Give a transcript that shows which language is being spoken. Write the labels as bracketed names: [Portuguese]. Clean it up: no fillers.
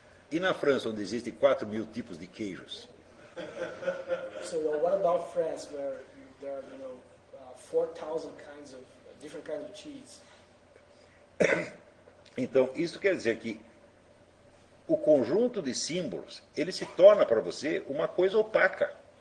[Portuguese] E na França, onde existem 4 mil tipos de queijos? [English] So, what about France, where there are, you know, 4,000 kinds of different kinds of cheese? [Portuguese] Então, isso quer dizer que o conjunto de símbolos, ele se torna para você uma coisa opaca.